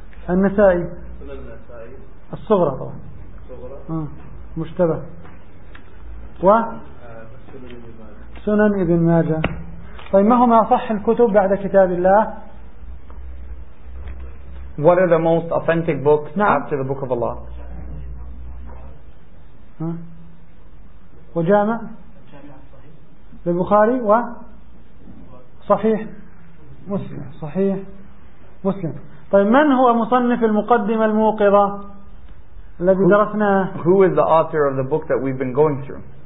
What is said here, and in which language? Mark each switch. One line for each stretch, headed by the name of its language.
Arabic: النسائي. الصغرى طبعا. مشتبه. و. سنن ابن ماجه. طيب ما هما أصح الكتب بعد كتاب الله؟
English: What are the most authentic books after the Book of Allah?
Arabic: وجامع البخاري و صحيح مسلم صحيح مسلم. طيب من هو مصنف المقدمة الموقظة الذي درسناه؟
English: Who is the author of the book that we've been going through?